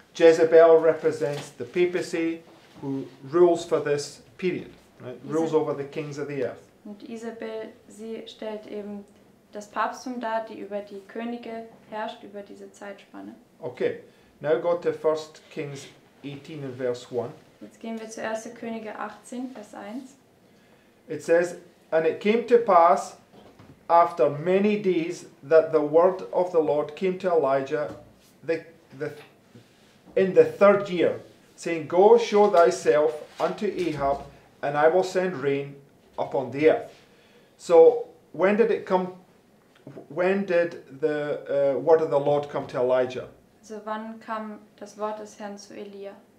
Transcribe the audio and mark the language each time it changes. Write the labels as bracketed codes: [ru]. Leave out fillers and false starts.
[en] Jezebel represents the papacy, who rules for this period, right? Rules over the kings of the earth. [de] Und Isabel, sie stellt eben das Papsttum dar, die über die Könige herrscht, über diese Zeitspanne. [en] Okay, now go to 1 Kings 18 and verse 1. [de] Jetzt gehen wir zu 1. Könige 18, Vers 1. [en] It says, and it came to pass after many days that the word of the Lord came to Elijah in the third year, saying, go show thyself unto Ahab, and I will send rain upon the earth. So when did it come? When did the word of the Lord come to Elijah? [de] So wann kam das Wort des Herrn zu Elia?